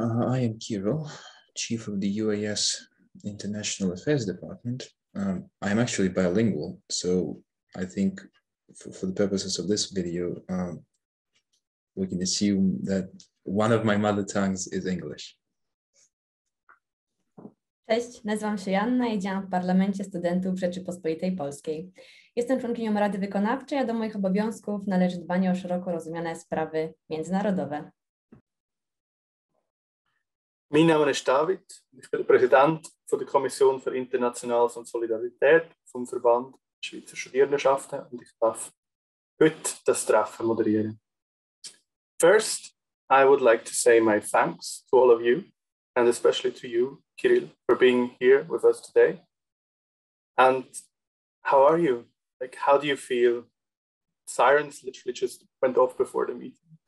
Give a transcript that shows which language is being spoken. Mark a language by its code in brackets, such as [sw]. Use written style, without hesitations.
[en] I am Kiro, chief of the UAS International Affairs Department. I'm actually bilingual, so I think for the purposes of this video, we can assume that one of my mother tongues is English. [pl] Cześć, nazywam się Joanna i działam w Parlamencie Studentów Rzeczypospolitej Polskiej. Jestem członkinią Rady Wykonawczej, a do moich obowiązków należy dbanie o szeroko rozumiane sprawy międzynarodowe. [de] Mein Name ist David, ich bin der Präsident von der Kommission für Internationales und Solidarität vom Verband Schweizer Studierendenschaften und ich darf heute das Treffen moderieren. [en] First, I would like to say my thanks to all of you and especially to you, Kirill, for being here with us today. And how are you? Like, how do you feel? Sirens literally just went off before the meeting.